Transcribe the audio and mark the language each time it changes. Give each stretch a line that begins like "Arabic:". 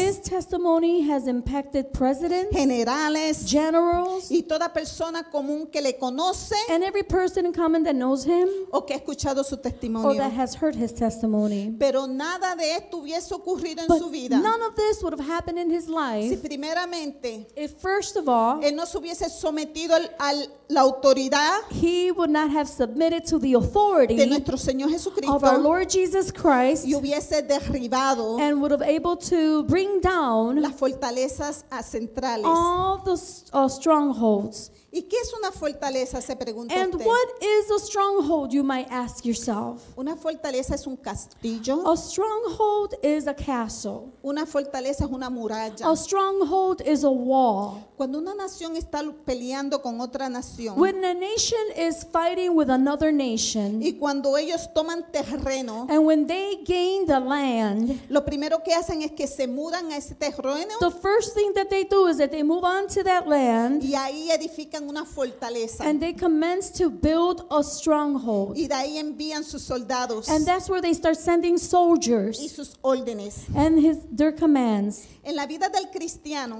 English: His testimony has impacted presidents,
Spanish: generales,
English: generals,
Spanish: y toda persona común que le conoce.
English: And every person in common that knows him,
Spanish: o que ha escuchado su testimonio,
English: or that has heard his testimony.
Spanish: Pero nada de esto hubiese ocurrido
English: but
Spanish: en su vida.
English: None of this would have happened in his life.
Spanish: Si primeramente,
English: if first of all,
Spanish: él no se hubiese sometido al la autoridad,
English: he would not have submitted to the authority
Spanish: de nuestro Señor Jesucristo,
English: of our Lord Jesus Christ,
Spanish: y hubiese derribado,
English: and would have able to bring down
Spanish: las fortalezas centrales,
English: all the strongholds.
Spanish: ¿Y qué es una fortaleza? Se pregunta
English: and
Spanish: usted.
English: What is a stronghold, you might ask yourself.
Spanish: Una fortaleza es un castillo.
English: A stronghold is a castle.
Spanish: Una fortaleza es una muralla.
English: A stronghold is a wall.
Spanish: Cuando una nación está peleando con otra nación,
English: when a nation is fighting with another nation,
Spanish: y cuando ellos toman terreno,
English: and when they gain the land,
Spanish: lo primero que hacen es que se mudan a ese terreno,
English: the first thing that they do is that they move on to that land,
Spanish: y ahí edifican una fortaleza,
English: and they commence to build a stronghold,
Spanish: y de ahí envían sus soldados,
English: and that's where they start sending soldiers,
Spanish: y sus órdenes,
English: and their commands.
Spanish: En la vida del cristiano,